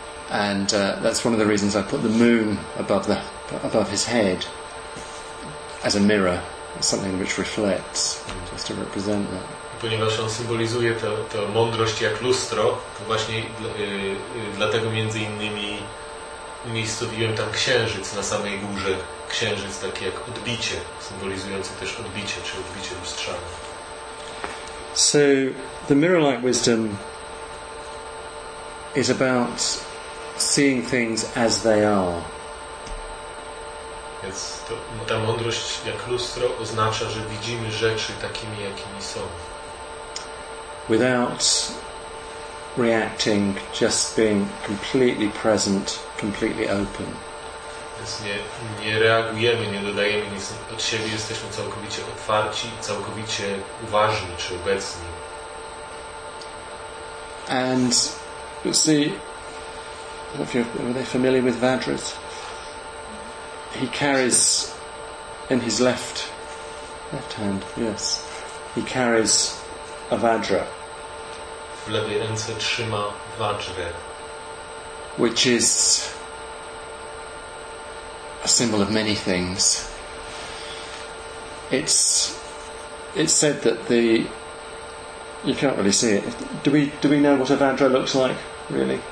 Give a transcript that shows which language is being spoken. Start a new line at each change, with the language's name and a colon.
English: And that's one of the reasons I put the moon above his head, as a mirror, something which reflects, just to represent that.
Polish: Ponieważ on symbolizuje tę mądrość jak lustro, to właśnie dlatego między innymi umiejscowiłem tam księżyc na samej górze. Księżyc taki jak odbicie, symbolizujący też odbicie, czy odbicie lustrzane.
English: So, the mirror-like wisdom is about seeing things as they are.
Polish: Więc ta mądrość jak lustro oznacza, że widzimy rzeczy takimi, jakimi są.
English: Without reacting, just being completely present, completely open.
Polish: Więc nie reagujemy, nie dodajemy nic od siebie, jesteśmy całkowicie otwarci, całkowicie uważni czy obecni.
English: And you see, if you're, are they familiar with Vajras? He carries in his left hand, yes, he carries a Vajra.
Polish: w lewej ręce trzyma Vajra.
English: Which is a symbol of many things. It's said that the... You can't really see it. Do we know what a Vajra looks like, really?